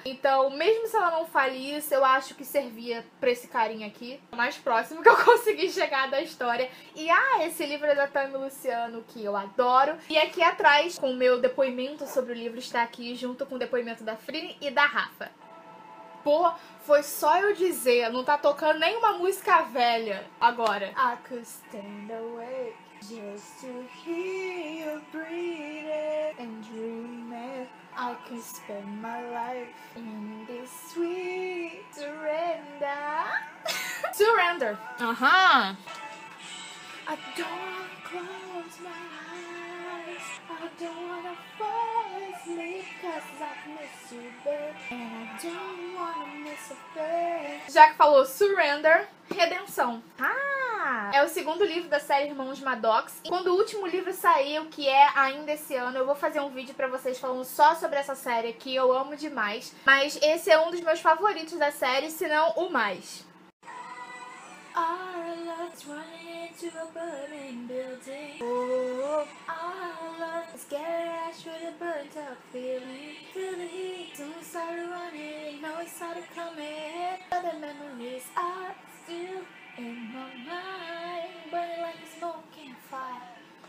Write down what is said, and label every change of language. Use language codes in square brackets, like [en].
[pt] Então, mesmo se ela não fale isso, eu acho que servia pra esse carinha aqui, o mais próximo que eu consegui chegar da história. E esse livro é da Tammy Luciano, que eu adoro, e aqui atrás, com o meu depoimento sobre o livro, está aqui junto com o depoimento da Frine e da Rafa. Porra, foi só eu dizer, não tá tocando nenhuma música velha agora. [en] I could stand awake just to hear you breathing and dreaming. I can spend my life in this sweet surrender. Surrender. Uh-huh. I don't want to close my eyes. I don't wanna fall asleep, cause I've missed you, babe. And I don't wanna miss a face. [pt] Já que falou surrender, redenção. É o segundo livro da série Irmãos Maddox. E quando o último livro saiu, que é ainda esse ano, eu vou fazer um vídeo pra vocês falando só sobre essa série, que eu amo demais. Mas esse é um dos meus favoritos da série, se não o mais. [en] Our love's running into a burning building. Oh, our love's getting ash with a burnt up feeling. Feel the heat, soon started running, now it started coming. But the memories are still in my mind, burning like a smoking fire.